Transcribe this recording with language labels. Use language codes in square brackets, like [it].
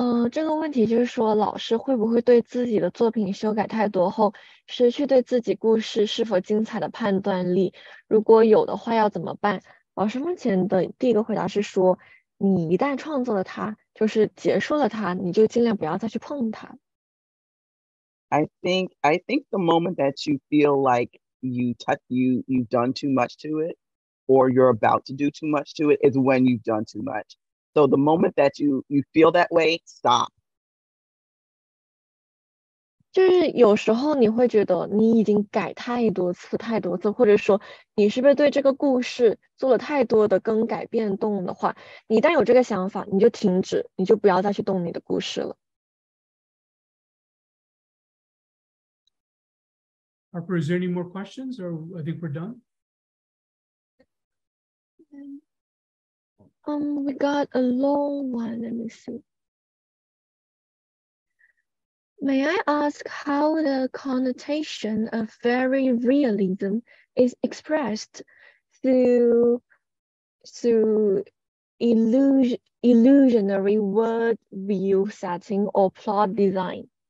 [zh] 这个问题就是说，老师会不会对自己的作品修改太多后，失去对自己故事是否精彩的判断力？如果有的话，要怎么办？老师目前的第一个回答是说，你一旦创作了它，就是结束了它，你就尽量不要再去碰它。 [en] I think the moment that you feel like you've done too much to it, or you're about to do too much to it, is when you've done too much. So the moment that you feel that way, stop. [zh] 就是有时候你会觉得你已经改太多次太多次，或者说你是不是对这个故事做了太多的更改变动的话，你一旦有这个想法，你就停止，你就不要再去动你的故事了。 [en] Harper, is there any more questions, or I think we're done? We got a long one. Let me see. May I ask how the connotation of very realism is expressed through illusionary world view setting or plot design?